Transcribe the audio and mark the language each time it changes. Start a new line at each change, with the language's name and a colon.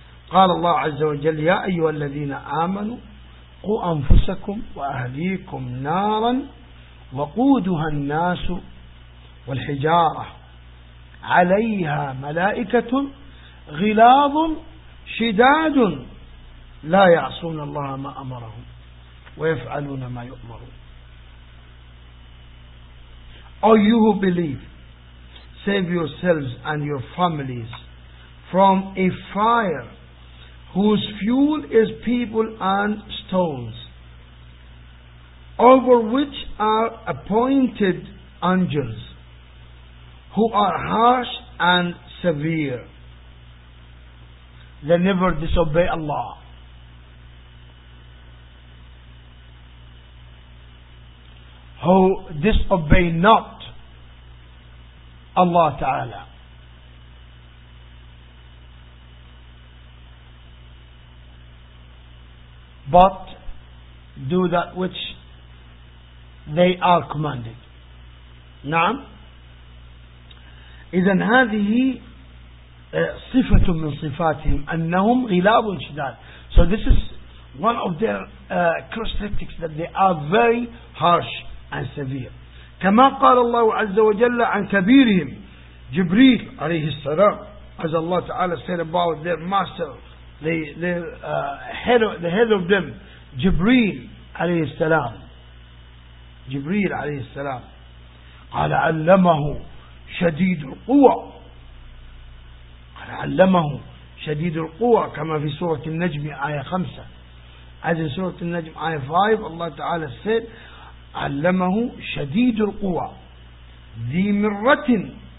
Arabic: قال الله عز وجل يا أيها الذين آمنوا قوا أنفسكم وأهليكم نارا وقودها الناس والحجارة عليها ملائكة غلاظ شداد لا يعصون الله ما أمرهم ويفعلون ما يؤمرون.
English: O you who believe, save yourselves and your families from a fire whose fuel is people and stones, over which are appointed angels who are harsh and severe. They never disobey Allah. Who disobey not Allah Ta'ala. But do that which they are commanded.
Arabic: نعم. إذن هذه صفة من صفاتهم أنهم غلاب شداد.
English: So this is one of their characteristics that they are very harsh and severe.
Arabic: كما قال الله عز وجل عن كبيرهم جبريل عليه السلام.
English: As Allah Ta'ala said about their master, the head of them, جبريل عليه السلام.
Arabic: جبريل عليه السلام قال علمه شديد القوى. قال علمه شديد القوى كما في سورة النجم آية 5.
English: As in
Arabic: سورة النجم آية 5
English: Allah Ta'ala said
Arabic: علمه شديد القوى ذي مرة.